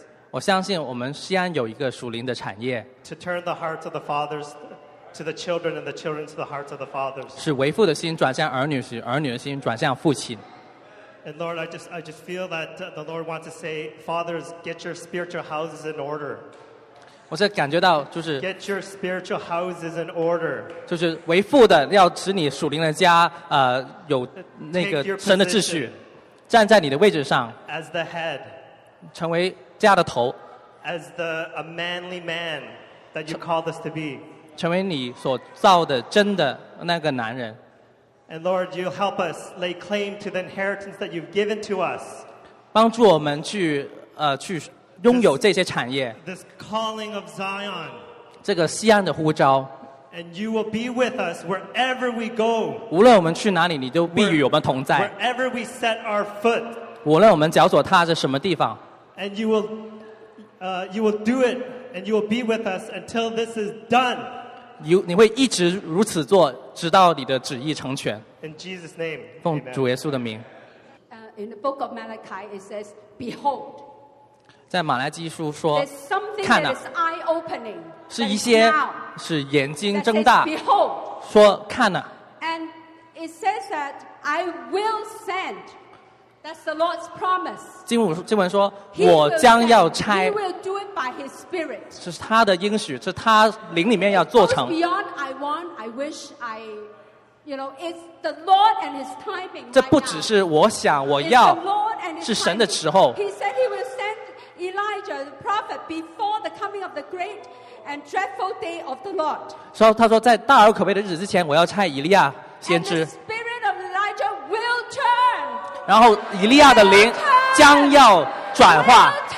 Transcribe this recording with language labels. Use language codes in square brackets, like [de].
[zh] 我相信我们西安有一个属灵的产业。 [en] To turn the hearts of the fathers to the children and the children to the hearts of the fathers. [zh] 使为父的心转向儿女，使儿女的心转向父亲。 [en] And Lord, I just feel that the Lord wants to say, Fathers, get your spiritual houses in order. [zh] 我是感觉到就是 [en] Get your spiritual houses in order. [zh] 就是为父的要使你属灵的家有那个神的秩序，站在你的位置上 [en] As the head. [zh] 成为家的头 [en] As the a manly man that you called us to be. [zh] 成为你所造的真的那个男人。 [en] And Lord, you'll help us lay claim to the inheritance that you've given to us. [zh] 帮助我们去拥有这些产业。 [en] This calling of Zion. [zh] 这个锡安的呼召。 [en] And you will be with us wherever we go. [zh] 无论我们去哪里，你都必与我们同在。 [en] Wherever we set our foot. [zh] 无论我们脚所踏着什么地方。 [en] And you will do it, and you will be with us until this is done. [zh] 你会一直如此做，直到你的旨意成全。 [en] In Jesus' name, [zh] 奉主耶稣的名。 [en] In the book of Malachi, it says, "Behold." [zh] 在马来基书说，看呐、啊，是一些 [en] that is now, [zh] 是眼睛睁大， [en] says, Behold, [zh] 说看呐、啊。 [en] And it says that I will send. That's the Lord's promise. [zh] 经文说，我将要差。 [en] He will do it by His Spirit. [zh] 是他的应许，是他灵里面要做成。 [en] It goes beyond I want, I wish, I, you know, it's the Lord and His timing. [zh] 这不只是我想，我要，是神的时候。 [en] He said He will send Elijah, the prophet, before the coming of the great and dreadful day of the Lord. [zh] 所以他说，在大而可畏的日子之前，我要差以利亚先知。 [en] And the Spirit of Elijah will turn. [zh] 然后以利亚的灵将要转化。